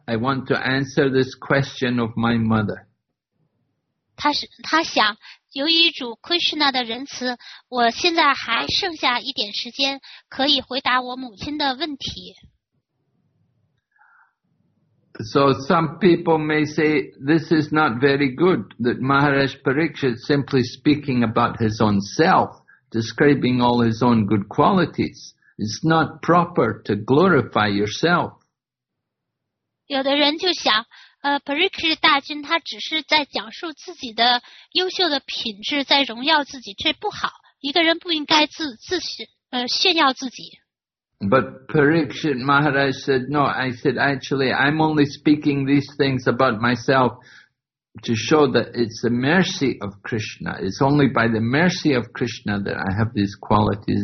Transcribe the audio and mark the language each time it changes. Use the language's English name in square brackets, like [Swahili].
[English] I want to answer this question of my mother. [Chinese] 他想，由于主 Krishna 的仁慈，我现在还剩下一点时间，可以回答我母亲的问题。 [English] So some people may say, this is not very good, that Maharaj Parikshit simply speaking about his own self. Describing all his own good qualities. It's not proper to glorify yourself. [Chinese] 有的人就想，Parikshit 大君他只是在讲述自己的优秀的品质，在荣耀自己，这不好。一个人不应该炫耀自己。 [English] But Parikshit Maharaj said, no, I said, actually, I'm only speaking these things about myself. To show that it's the mercy of Krishna. It's only by the mercy of Krishna that I have these qualities.